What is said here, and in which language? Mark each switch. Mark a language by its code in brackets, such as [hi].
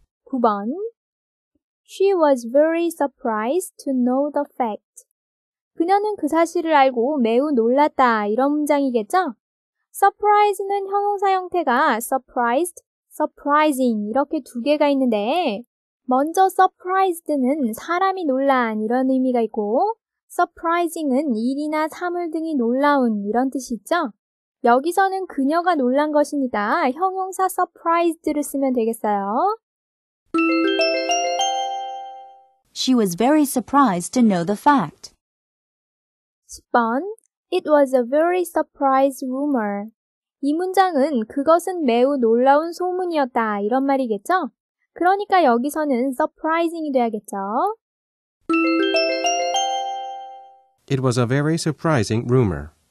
[en] 9번 She was very surprised to know the fact. [ko] 그녀는 그 사실을 알고 매우 놀랐다 이런 문장이겠죠? Surprise는 형용사 형태가 surprised, surprising 이렇게 두 개가 있는데 먼저 surprised는 사람이 놀란 이런 의미가 있고 surprising은 일이나 사물 등이 놀라운 이런 뜻이 있죠? 여기서는 그녀가 놀란 것이니까 형용사 surprised를 쓰면 되겠어요. [en] She was very surprised to know the fact. 10번 It was a very surprise rumor. [ko] 이 문장은 그것은 매우 놀라운 소문이었다 이런 말이겠죠? 그러니까 여기서는 surprising이 돼야겠죠? [en] It was a very surprising rumor.